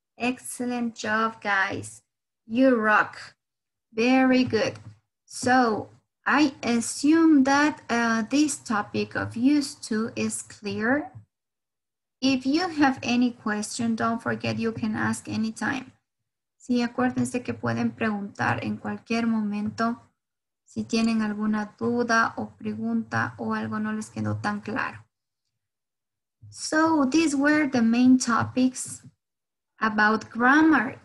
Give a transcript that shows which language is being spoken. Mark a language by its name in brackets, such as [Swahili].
[English] Excellent job, guys. You rock. Very good. So I assume that this topic of used to is clear. If you have any question, don't forget you can ask anytime. [Spanish] Sí, acuérdense que pueden preguntar en cualquier momento si tienen alguna duda o pregunta o algo no les quedó tan claro. [English] So, these were the main topics about grammar.